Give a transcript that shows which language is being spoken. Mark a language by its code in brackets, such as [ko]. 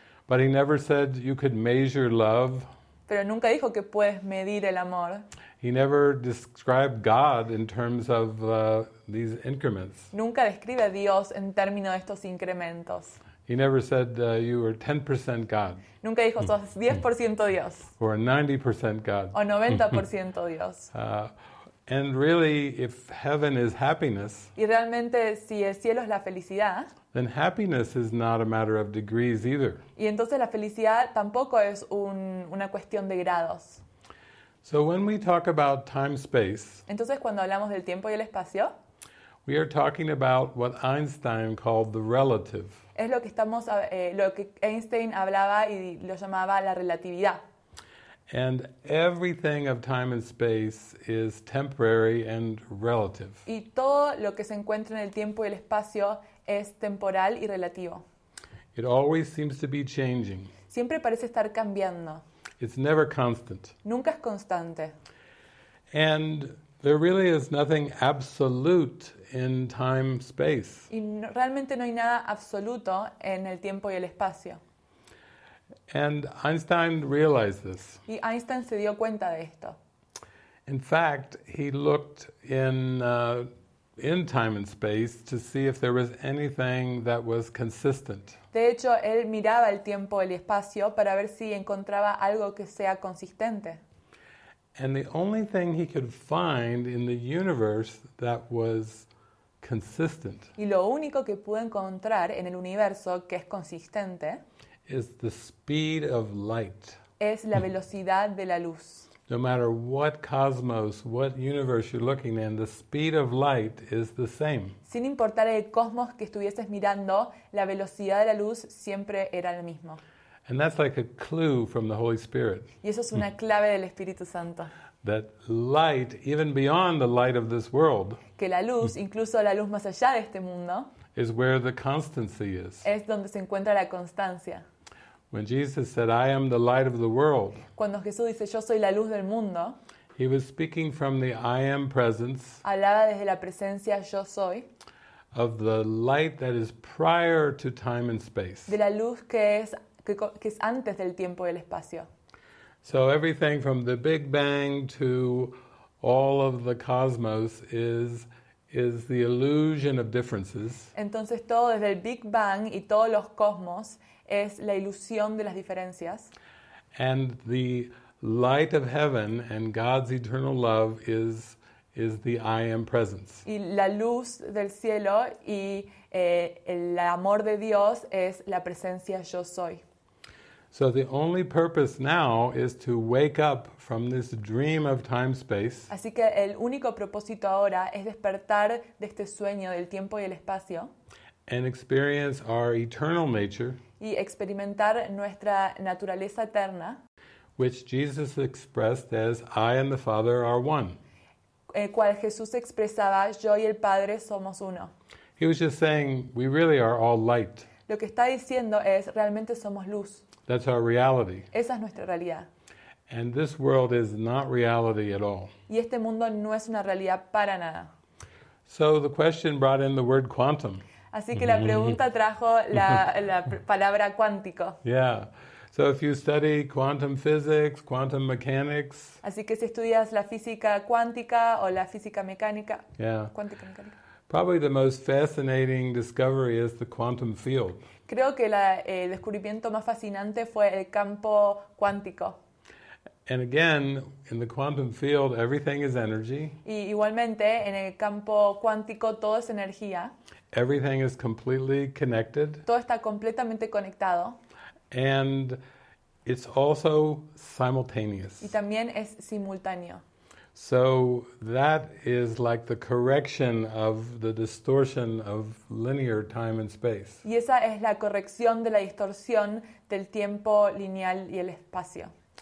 [en] But he never said you could measure love. [es] Pero nunca dijo que puedes medir el amor. [en] He never described God in terms of these increments. [es] Nunca describe a Dios en términos de estos incrementos. [en] He never said you were 10% God. [es] Nunca dijo sos 10% Dios. [en] Or 90% God. [es] O 90% Dios. [en] And really, if heaven is happiness, [es] y realmente si el cielo es la felicidad, [en] then happiness is not a matter of degrees either. [es] Y entonces la felicidad tampoco es una cuestión de grados. [en] So when we talk about time-space, [es] entonces cuando hablamos del tiempo y el espacio, [en] we are talking about what Einstein called the relative. [es] Es lo que Einstein hablaba y lo llamaba la relatividad. [en] And everything of time and space is temporary and relative. [es] Y todo lo que se encuentra en el tiempo y el espacio es temporal y relativo. [en] It always seems to be changing. [es] Siempre parece estar cambiando. [en] It's never constant. [es] Nunca es constante. [en] And there really is nothing absolute in time space. [es] Y realmente no hay nada absoluto en el tiempo y el espacio. [en] And Einstein realized this. [es] Y Einstein se dio cuenta de esto. [en] In fact, he looked in time and space to see if there was anything that was consistent. [es] De hecho, él miraba el tiempo y el espacio para ver si encontraba algo que sea consistente. [en] And the only thing he could find in the universe that was consistent. [es] Y lo único que pudo encontrar en el universo que es consistente [en] is the speed of light. [es] Es la velocidad de la luz. [en] No matter what cosmos, what universe you're looking in, the speed of light is the same. [es] Sin importar el cosmos que estuvieses mirando, la velocidad de la luz siempre era la misma. [en] And that's like a clue from the Holy Spirit. [es] Y eso es una clave del Espíritu Santo. [en] That light, even beyond the light of this world, [es] que la luz, incluso la luz más allá de este mundo, [en] is where the constancy is. [es] Es donde se encuentra la constancia. [en] When Jesus said, "I am the light of the world," [es] cuando Jesús dice, "Yo soy la luz del mundo," [en] he was speaking from the I am presence. [es] Hablaba desde la presencia yo soy. [en] Of the light that is prior to time and space. [es] De la luz que es antes del tiempo y el espacio. [en] So everything from the Big Bang to all of the cosmos is the illusion of differences. [es] Entonces todo desde el Big Bang y todos los cosmos es la ilusión de las diferencias. [en] And the light of heaven and God's eternal love is the I am presence. [es] Y la luz del cielo y el amor de Dios es la presencia yo soy. [en] So the only purpose now is to wake up from this dream of time space. [es] Así que el único propósito ahora es despertar de este sueño del tiempo y el espacio. [en] And experience our eternal nature. [es] Y experimentar nuestra naturaleza eterna. [en] Which Jesus expressed as I and the Father are one. [es] Cual Jesús expresaba, yo y el Padre somos uno. [en] He was just saying we really are all light. [es] Lo que está diciendo es realmente somos luz. [en] That's our reality. [es] Esa es nuestra realidad. [en] And this world is not reality at all. [es] Y este mundo no es una realidad para nada. [en] So the question brought in the word quantum. [es] Así que la pregunta trajo la palabra cuántico. [en] Yeah. So if you study quantum physics, quantum mechanics. [es] Así que si estudias la física cuántica o la física mecánica. [en] Yeah. [es] Cuántica mecánica. [en] Probably the most fascinating discovery is the quantum field. [es] Creo que el descubrimiento más fascinante fue el campo cuántico. [en] And again, in the quantum field, everything is energy. [es] Y igualmente, en el campo cuántico, todo es energía. [en] Everything is completely connected. [es] Todo está completamente conectado. [en] And it's also simultaneous. [es] Y también es simultáneo. [en] So that is like the correction of the distortion of linear time and space. [es] Y esa es la corrección de la distorsión del tiempo lineal y el espacio.